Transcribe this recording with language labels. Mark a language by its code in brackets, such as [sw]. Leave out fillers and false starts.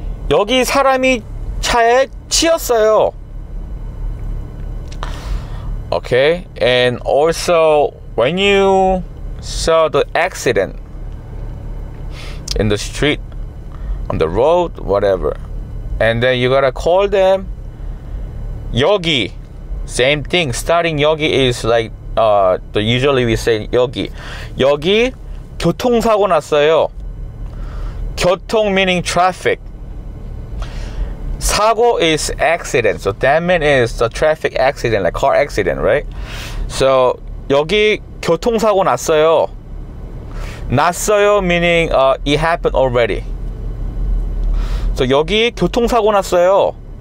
[ko] 여기 사람이 차에 치였어요. [en] Okay? And also when you saw the accident in the street, on the road, whatever, and then you gotta call them 여기. Same thing. Starting 여기 is like the usually we say 여기. [ko] 여기 교통사고 났어요. 교통 [en] meaning traffic. 사고 is accident. So that mean is the traffic accident, like car accident, right? [ko] So 여기 교통사고 났어요. [en] 났어요 meaning it happened already. [ko] So 여기 교통사고 났어요.